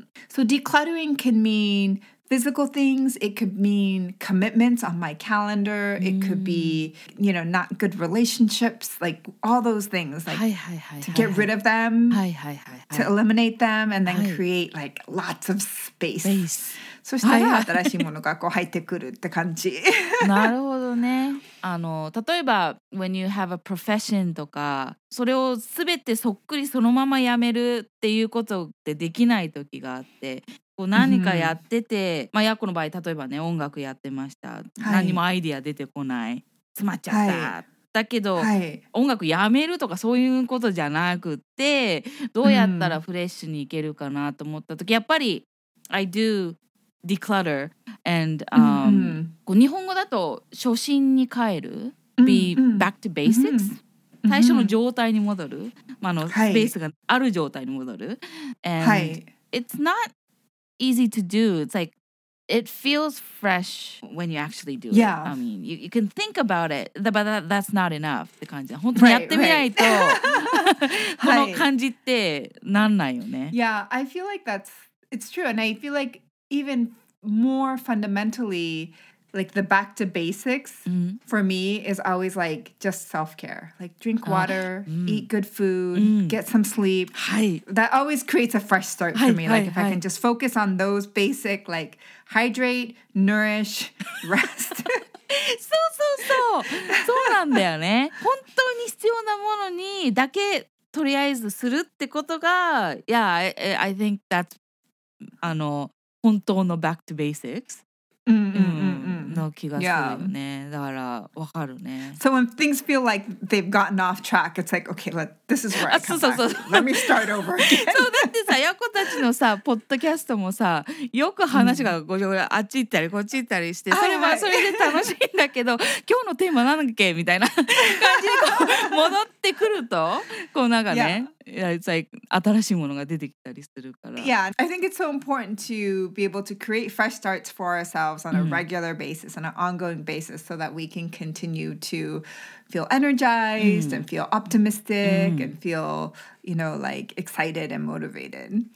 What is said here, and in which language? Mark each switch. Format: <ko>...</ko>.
<en>So decluttering can mean physical things, it could mean commitments on my calendar, it could be, you know, not good relationships, like all those things, like to get rid of them, to eliminate them, and then create like lots of space.</en> <ja>そしたら新しいものがこう入ってくるって感じ。なるほどね。例えば、</ja> <en>when you have a profession</en> <ja>とか、それをすべてそっくりそのままやめるっていうことってできない時があって、こう何かやってて、まあヤッコの場合例えばね音楽やってました、何もアイディア出てこない、詰まっちゃった、だけど、音楽やめるとかそういうことじゃなくて、どうやったらフレッシュにいけるかなと思った時、やっぱり</ja> <en>I do declutter and</en> <ja>こう日本語だと初心に帰る、</ja> <en>be back to basics、</en> <ja>最初の状態に戻る、スペースがある状態に戻る、</ja> <en>and it's notEasy to do. It's like it feels fresh when you actually do yeah. it. I mean, you can think about it, but that's not enough.</en> <ja>The 感じ。本当にやってみないとこの感じってなんないよね。</ja> <en>Yeah, I feel like it's true, and I feel like even more fundamentally, like the back to basics for me is always like just self care, like drink water, eat good food, get some sleep. That always creates a fresh start for me. Like if I can just focus on those basic, like hydrate, nourish, rest.</en> <ja>そうそうそう。そうなんだよね。本当に必要なものにだけとりあえずするってことが、</ja> <en>Yeah, I think that's</en> <ja>あの本当の</ja> <en>back to basics、</en> <ja>の気がするよね。だからわかるね。</ja> <en>So when things feel like they've gotten off track, it's like, okay, let, this is where I come back. Let me start over again.</en> <ja>そうだってさ、ヤコたちのさ、ポッドキャストもさ、よく話がごちゃごちゃあっち行ったりこっち行ったりして、それはそれで楽しいんだけど、今日のテーマなんっけみたいな感じで戻ってくると、こうなんかね。</ja> <en>Yeah, it's like</en> <ja>新しいものが出てきたりするから。</ja> <en>Yeah, I think it's so important to be able to create fresh starts for ourselves on a regular basis, on an ongoing basis, so that we can continue to feel energized and feel optimistic and feel, you know, like excited and motivated.</en>